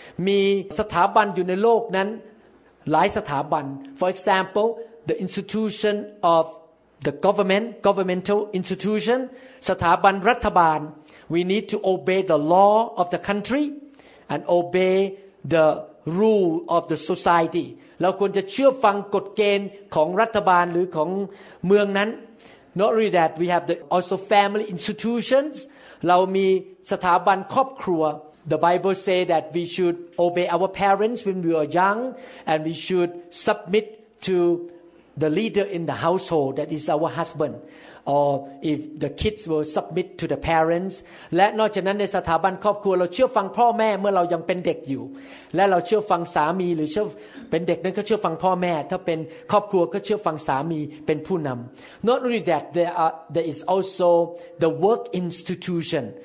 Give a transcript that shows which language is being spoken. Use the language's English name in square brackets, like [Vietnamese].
[Thai] มีสถาบันอยู่ในโลกนั้นหลายสถาบัน [English] For example, the institution of the government, governmental institution, [Thai] สถาบันรัฐบาล [English] We need to obey the law of the country and obey the rule of the society. [Thai] เราควรจะเชื่อฟังกฎเกณฑ์ของรัฐบาลหรือของเมืองนั้น [English] Not only that, we have the also family institutions. [Thai] เรามีสถาบันครอบครัว [English] The Bible says that we should obey our parents when we are young and we should submit to the leader in the household, that is our husbandOr if the kids will submit to the parents. [Thai] และนอกจากนั้นในสถาบันครอบครัวเราเชื่อฟังพ่อแม่เมื่อเรายังเป็นเด็กอยู่และเราเชื่อฟังสามีหรือเชื่อเป็นเด็กนั้นก็เชื่อฟังพ่อแม่ถ้าเป็นครอบครัวก็เชื่อฟังสามีเป็นผู้นำ [English] Not only that there is also the work institution.